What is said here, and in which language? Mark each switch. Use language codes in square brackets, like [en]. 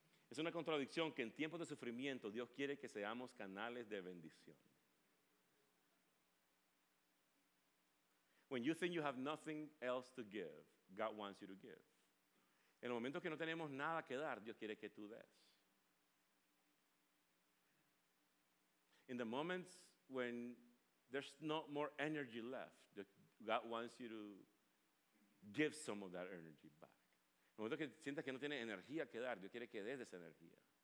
[es] Es una contradicción que en tiempos de sufrimiento, Dios quiere que seamos canales de bendición. [en] When you think you have nothing else to give, God wants you to give. [es] En el momento que no tenemos nada que dar, Dios quiere que tú des. [en] In the moments when there's no more energy left, God wants you to give some of that energy back. [es] En el momento que sientas que no tienes energía que dar, Dios quiere que des esa energía.